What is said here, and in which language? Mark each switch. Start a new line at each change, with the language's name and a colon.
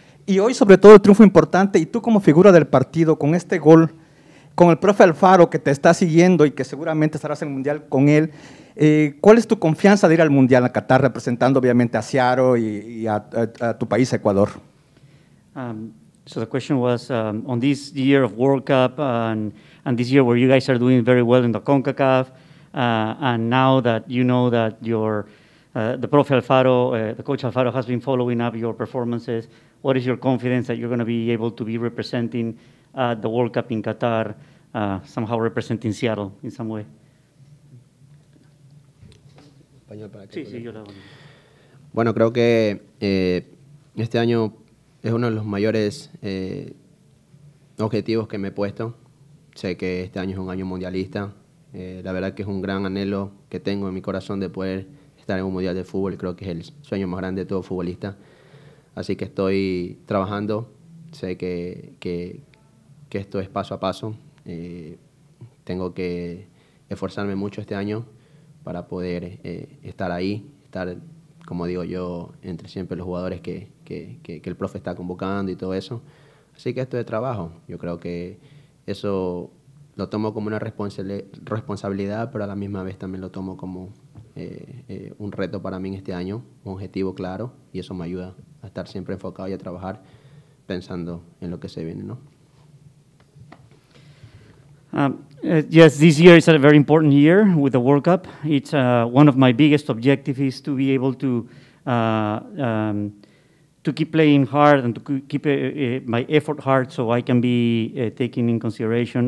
Spanish: Y hoy, sobre todo, el triunfo importante, y tú como figura del partido, con este gol, con el profe Alfaro que te está siguiendo y que seguramente estarás en el Mundial con él, ¿cuál es tu confianza de ir al Mundial a Qatar, representando obviamente a Seattle y a tu país, Ecuador?
English: So the question was, on this year of World Cup and this year where you guys are doing very well in the CONCACAF, and now that you know that the profe Alfaro, the coach Alfaro has been following up your performances, what is your confidence that you're going to be able to be representing the World Cup in Qatar, somehow representing Seattle in some way?
Spanish: Bueno, creo que este año es uno de los mayores objetivos que me he puesto. Sé que este año es un año mundialista. La verdad que es un gran anhelo que tengo en mi corazón de poder estar en un mundial de fútbol. Creo que es el sueño más grande de todo futbolista. Así que estoy trabajando. Sé que esto es paso a paso. Tengo que esforzarme mucho este año para poder estar ahí, estar, como digo yo, entre siempre los jugadores que el profe está convocando y todo eso. Así que esto es trabajo. Yo creo que eso lo tomo como una responsabilidad, pero a la misma vez también lo tomo como un reto para mí en este año, un objetivo claro, y eso me ayuda a estar siempre enfocado y a trabajar pensando en lo que se viene, ¿no?
English: Yes, this year is a very important year with the World Cup. It's one of my biggest objectives is to be able to keep playing hard and to keep my effort hard so I can be taken in consideration.